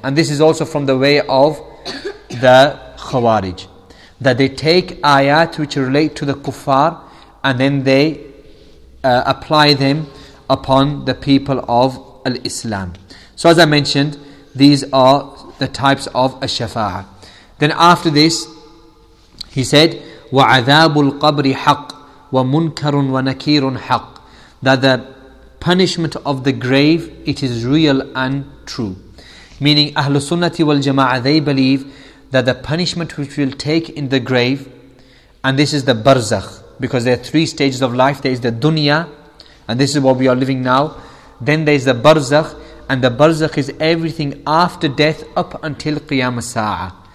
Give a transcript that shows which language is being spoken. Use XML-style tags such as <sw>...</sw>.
<en>And this is also from the way of the Khawarij, that they take ayat which relate to the kuffar and then they apply them upon the people of al-Islam. So as I mentioned, these are the types of ash-shafa'ah. Then after this, he said,</en> <ar>"وَعَذَابُ الْقَبْرِ حَقٌّ وَمُنْكَرٌ وَنَكِيرٌ حَقٌّ."</ar> <en>That the punishment of the grave, it is real and true. Meaning, Ahlu Sunnati wal Jama'ah, they believe that the punishment which we'll take in the grave, and this is the barzakh, because there are three stages of life. There is the dunya, and this is what we are living now. Then there is the barzakh, and the barzakh is everything after death up until Qiyam al-Sa'ah.</en>